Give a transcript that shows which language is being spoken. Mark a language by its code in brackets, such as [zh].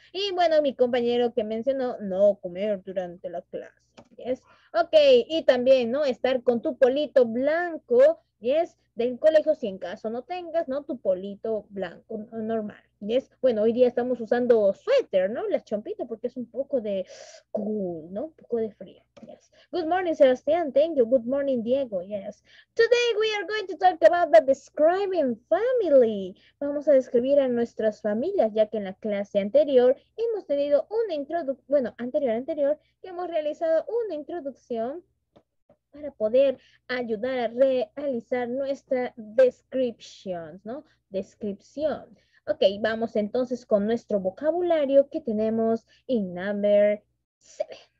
[es] Y bueno, mi compañero que mencionó, no comer durante la clase, yes. Ok, y también, ¿no? Estar con tu polito blanco, yes, del colegio, si en caso no tengas, ¿no? Tu polito blanco normal, yes. Bueno, hoy día estamos usando suéter, ¿no? Las chompitas, porque es un poco de cool, ¿no? Un poco de frío, yes. [en] Good morning, Sebastián, thank you. Good morning, Diego, yes. Today we are going to talk about the describing family. [es] Vamos a describir a nuestras familias, ya que en la clase anterior hemos tenido una introducción, bueno, anterior, que hemos realizado una introducción para poder ayudar a realizar nuestra descripción, ¿no? Descripción. Ok, vamos entonces con nuestro vocabulario que tenemos en [en] number 7.